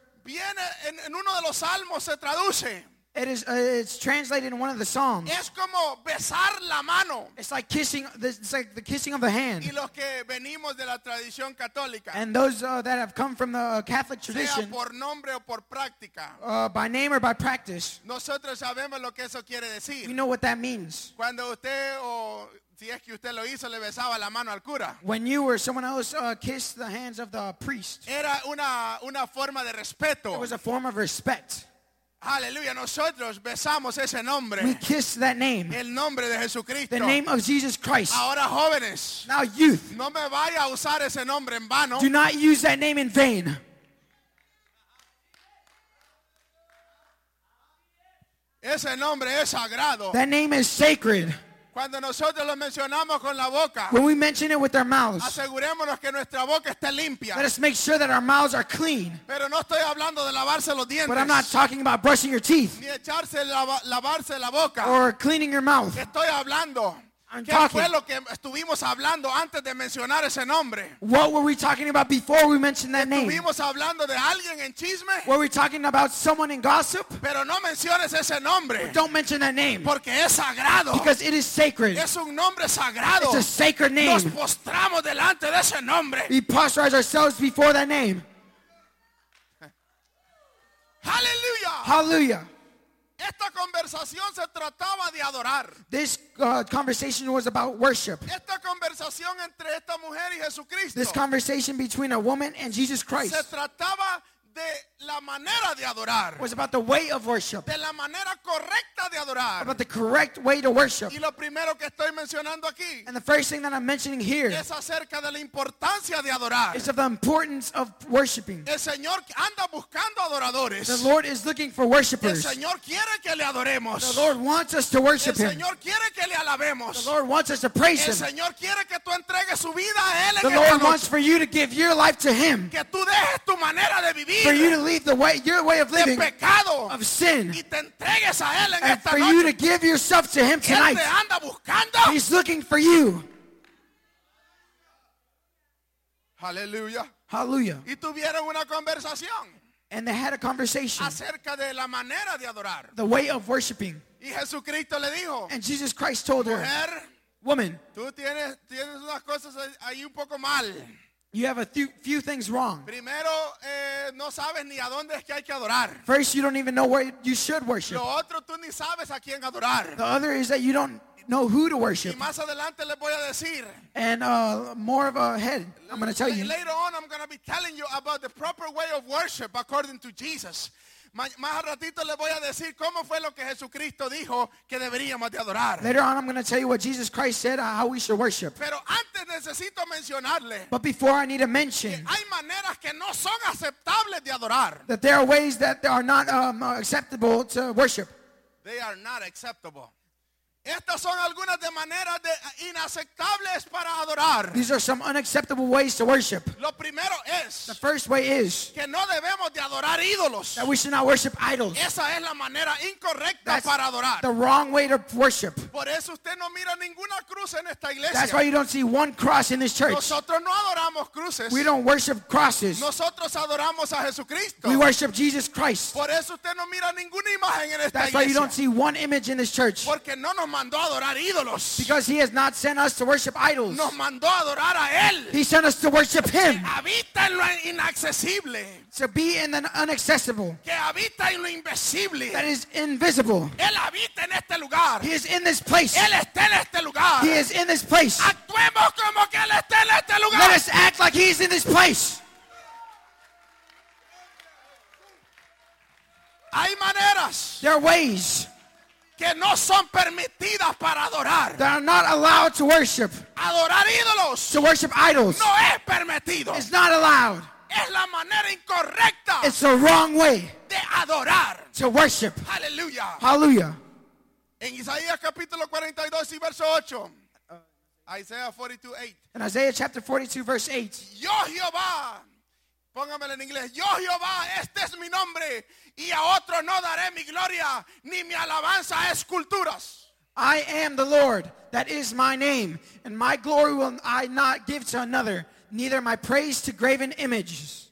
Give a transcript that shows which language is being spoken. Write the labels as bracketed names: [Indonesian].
[Spanish] viene en uno de los salmos se traduce. [English] It is it's translated in one of the psalms. [Spanish] Es como besar la mano. [English] It's like kissing. It's like the kissing of the hand. [Spanish] Y los que venimos de la tradición católica. [English] And those that have come from the Catholic tradition. [Spanish] Sea por nombre o por práctica. [English] By name or by practice. [Spanish] Nosotros sabemos lo que eso quiere decir. [English] We know what that means. [Spanish] Cuando usted o si es que usted lo hizo, le besaba la mano al cura. [English] When you or someone else kissed the hands of the priest. [Spanish] Era una forma de respeto. [English] It was a form of respect. [Spanish] Aleluya, nosotros besamos ese nombre. [English] We kiss that name. [Spanish] El nombre de Jesucristo. [English] The name of Jesus Christ. [Spanish] Ahora jóvenes. [English] Now youth. [Spanish] No me vaya a usar ese nombre en vano. [English] Do not use that name in vain. [Spanish] Ese nombre es sagrado. [English] That name is sacred. [Spanish] Cuando nosotros lo mencionamos con la boca, [English] when we mention it with our mouths, [Spanish] asegurémonos que nuestra boca esté limpia. [English] Let us make sure that our mouths are clean. [Spanish] Pero no estoy hablando de lavarse los dientes. [English] But I'm not talking about brushing your teeth. [Spanish] Ni echarse lavarse la boca. [English] Or cleaning your mouth. [Spanish] Estoy hablando. [English] I'm [Spanish] ¿qué [English] talking. [Spanish] Fue lo que estuvimos hablando antes de mencionar ese nombre? [English] What were we talking about before we mentioned that name? [Spanish] Estuvimos hablando de alguien en chisme. [English] Were we talking about someone in gossip? [Spanish] Pero no menciones ese nombre. [English] But don't mention that name. [Spanish] Porque es sagrado. [English] Because it is sacred. [Spanish] Es un nombre sagrado. [English] It's a sacred name. [Spanish] Nos postramos delante de ese nombre. [English] We posterize ourselves before that name. Hallelujah. Hallelujah. [Spanish] Esta conversación se trataba de adorar. [English] This conversation was about worship. [Spanish] Esta conversación entre esta mujer y Jesucristo. [English] This conversation between a woman and Jesus Christ. [Spanish] Se trataba de la manera de adorar. [English] Was about the way of worship. [Spanish] De la manera correcta de adorar. [English] About the correct way to worship. [Spanish] Y lo primero que estoy mencionando aquí. [English] And the first thing that I'm mentioning here. [Spanish] Es acerca de la importancia de adorar. [English] Is of the importance of worshiping. [Spanish] El Señor anda buscando adoradores. [English] The Lord is looking for worshipers. [Spanish] El Señor quiere que le adoremos. [English] The Lord wants us to worship Him. [Spanish] El Señor quiere que le alabemos. [English] The Lord wants us to praise Him. [Spanish] El Señor quiere que tú entregues su vida a Él. [English] The Lord wants for you to give your life to Him. [Spanish] Que tú dejes tu manera de vivir. [English] for you to leave the way, your way of living, [Spanish] pecado, [English] of sin, [Spanish] y te entregues a él en [English] and [Spanish] esta [English] for [Spanish] noche. [English] You to give yourself to him tonight. [Spanish] Él te anda buscando. [English] He's looking for you. Hallelujah. Hallelujah. [Spanish] Y tuvieron una conversación. [English] And they had a conversation [Spanish] acerca de la manera de adorar. [English] The way of worshiping. [Spanish] Y Jesucristo le dijo, [English] and Jesus Christ told [Spanish] mujer, [English] her, woman, [Spanish] tú tienes unas cosas ahí un poco mal. [English] You have a few things wrong. [Spanish] Primero, no sabes ni a dónde es que hay que adorar. [English] First, you don't even know where you should worship. [Spanish] Lo otro, tú ni sabes a quién adorar. [English] The other is that you don't know who to worship. [Spanish] Y más adelante les voy a decir, [English] and more of a head, I'm going to tell you. Later on, I'm going to be telling you about the proper way of worship according to Jesus. [Spanish] Más ratito le voy a decir cómo fue lo que Jesucristo dijo que deberíamos de adorar. [English] Later on, I'm going to tell you what Jesus Christ said, how we should worship. [Spanish] Pero antes necesito mencionarle. [English] But before I need to mention, [Spanish] hay maneras que no son aceptables de adorar. [English] That there are ways that are not acceptable to worship. They are not acceptable. [Spanish] Estas son algunas de maneras de inaceptables para adorar. [English] These are some unacceptable ways to worship. [Spanish] Lo primero es, [English] the first way is, [Spanish] que no debemos de adorar ídolos. [English] That we should not worship idols. [Spanish] Esa es la manera incorrecta. [English] That's [Spanish] para adorar. [English] The wrong way to worship. [Spanish] Por eso usted no mira ninguna cruz en esta iglesia. [English] That's why you don't see one cross in this church. [Spanish] Nosotros no adoramos cruces. [English] We don't worship crosses. [Spanish] Nosotros adoramos a Jesucristo. [English] We worship Jesus Christ. [Spanish] Por eso usted no mira ninguna imagen en esta [English] That's [Spanish] iglesia. [English] That's why you don't see one image in this church. [Spanish] Porque no nos mandó a adorar ídolos. [English] Because he has not sent us to worship idols. [Spanish] Nos mandó a adorar a él. [English] He sent us to worship him. [Spanish] Que habita en lo inaccesible. [English] To be in the inaccessible. [Spanish] Que habita en lo invisible. [English] That is invisible. [Spanish] Él habita en este lugar. [English] He is in this place. [Spanish] Él está en este lugar. [English] He is in this place. [Spanish] Actuemos como que él está en este lugar. [English] Let us act like he is in this place. [Spanish] Hay maneras. [English] There are ways. [Spanish] Que no son permitidas para adorar. [English] That are not allowed to worship. [Spanish] Adorar ídolos. [English] To worship idols. [Spanish] No es permitido. [English] It's not allowed. [Spanish] Es la manera incorrecta. [English] It's the wrong way. [Spanish] De adorar. [English] To worship. Hallelujah. Hallelujah. [Spanish] En Isaías capítulo 42 y verso 8. [English] Isaiah 42:8. In Isaiah chapter 42 verse 8. [Spanish] Yo Jehová. Póngamelo en inglés. Yo Jehová, este es mi nombre, y a otro no daré mi gloria, ni mi alabanza a esculturas. [English] I am the Lord, that is my name, and my glory will I not give to another, neither my praise to graven images.